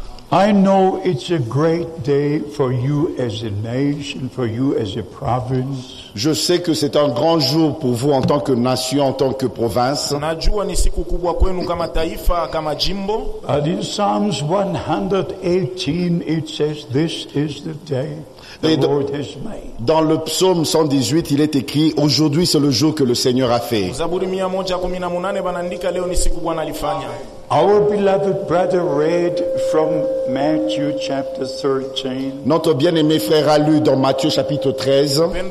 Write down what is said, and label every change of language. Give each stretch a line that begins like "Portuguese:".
English: I know it's a great day for you as a nation, for you as a province.
French: Je sais que c'est un grand jour pour vous en tant que nation, en tant que province.
Swahili: Najua ni siku kubwa kwenu kama taifa, kama jimbo.
English: But in Psalms 118, it says, "This is the day the Lord has made."
French: Dans le psaume 118, il est écrit, "Aujourd'hui c'est le jour que le Seigneur a fait."
Swahili: Zaburi 118 banaandika leo ni siku Bwana alifanya.
English: Our beloved brother read from Matthew chapter 13.
French: Notre bien-aimé frère a lu dans Matthieu chapitre 13.